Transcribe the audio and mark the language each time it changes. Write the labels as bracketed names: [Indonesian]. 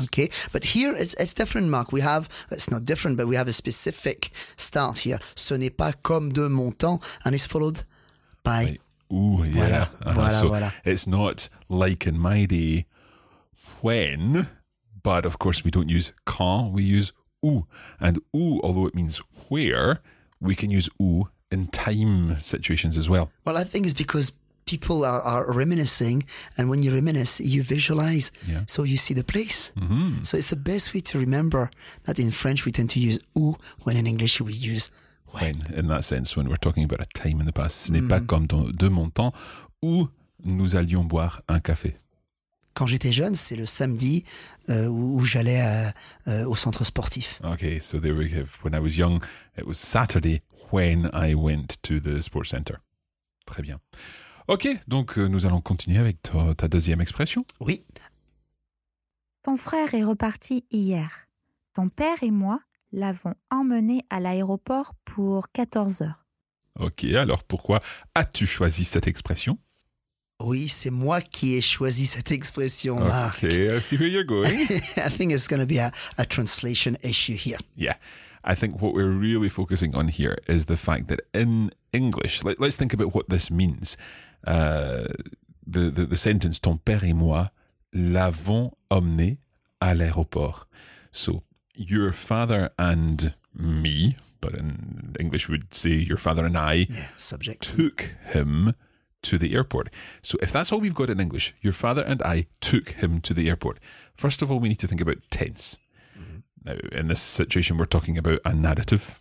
[English] Okay, but here it's different, Mark. We have, it's not different, but we have a specific start here. [French] Ce n'est pas comme de mon temps, [English] and it's followed by... [French] Voilà. [English] It's not like in my day, when, but of course we don't use quand, we use où. And où, although it means where, we can use où in time situations as well. Well, I think it's because people are reminiscing, and when you reminisce, you visualize, so you see the place. So it's the best way to remember that in French we tend to use où, when in English we use when. In that sense, when we're talking about a time in the past, [French] ce n'est pas comme de mon temps, où nous allions boire un café. Quand j'étais jeune, c'est le samedi où j'allais au centre sportif. [English] Okay, so there we have, when I was young, it was Saturday, when I went to the sports center. [French] Très bien. Ok, donc nous allons continuer avec ta deuxième expression. Oui. Ton frère est reparti hier. Ton père et moi l'avons emmené à l'aéroport pour 14 heures. Ok, alors pourquoi as-tu choisi cette expression? Oui, c'est moi qui ai choisi cette expression, Marc. [English] Ok, I see where you're going. I think it's going to be a translation issue here. Yeah. I think what we're really focusing on here is the fact that in English, let's think about what this means. The sentence, [French] ton père et moi l'avons emmené à l'aéroport. [English] So, your father and me, but in English we would say your father and I, subject. Took him to the airport. So, if that's all we've got in English, your father and I took him to the airport. First of all, we need to think about tense. Now, in this situation, we're talking about a narrative.